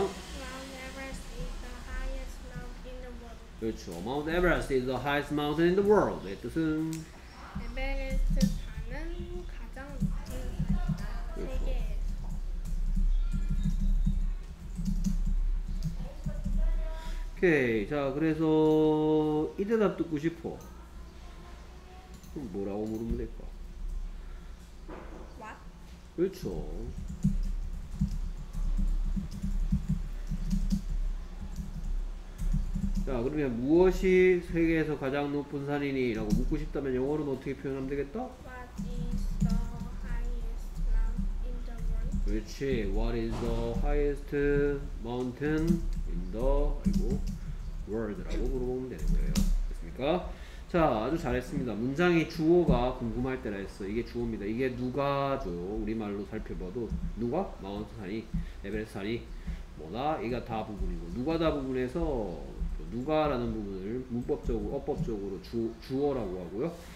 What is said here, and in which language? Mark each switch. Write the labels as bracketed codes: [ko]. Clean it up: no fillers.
[en] Mount Everest is the highest mountain in the world. [ko] 그렇죠. [en] Mount Everest is the highest mountain in the world. [ko] 네, 뜻은 에베레스트 산은 가장 높은 산이다. 세계. 오케이. 자, 그래서 이 대답 듣고 싶어. 그럼 뭐라고 물으면 될까? [en] What? [ko] 그렇죠. 자, 그러면 무엇이 세계에서 가장 높은 산이니? 라고 묻고 싶다면 영어로는 어떻게 표현하면 되겠다? [en] What is the highest mountain in the world? [ko] 그렇지. [en] What is the highest mountain in the 아이고, world? [ko] 라고 물어보면 되는 거예요. 됐습니까? 자, 아주 잘했습니다. 문장이 주어가 궁금할 때라 했어. 이게 주어입니다. 이게 누가죠? 우리말로 살펴봐도. 누가? 마운트 산이, 에베레스트 산이, 뭐다? 이가 다 부분이고. 누가 다 부분에서 누가라는 부분을 문법적으로, 어법적으로 주어라고 하고요.